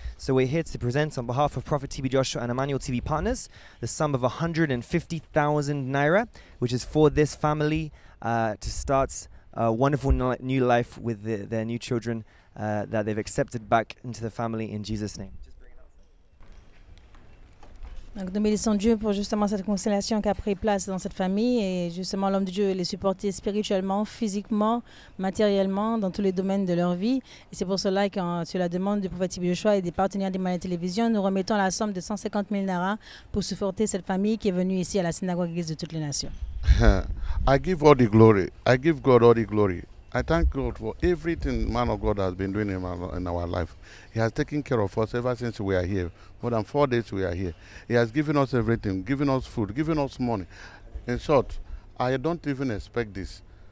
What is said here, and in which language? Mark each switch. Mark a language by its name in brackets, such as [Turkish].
[English] So we're here to present, on behalf of Prophet TB Joshua and Emmanuel TV Partners, the sum of 150,000 naira, which is for this family to start a wonderful new life with their new children that they've accepted back into the family in Jesus' name. [French] Donc nous bénissons Dieu pour justement cette consolation qui a pris place dans cette famille, et justement l'homme de Dieu les supporter spirituellement, physiquement, matériellement, dans tous les domaines de leur vie. Et c'est pour cela que sur la demande du prophète Joshua et des partenaires de Manette Télévision, nous remettons la somme de 150 000 naira pour supporter cette famille qui est venue ici à la synagogue église de toutes les nations. [English] I give all the glory. I give God all the glory. I thank God for everything man of God has been doing in our life. He has taken care of us ever since we are here. More than 4 days we are here. He has given us everything, given us food, given us money. In short, I don't even expect this.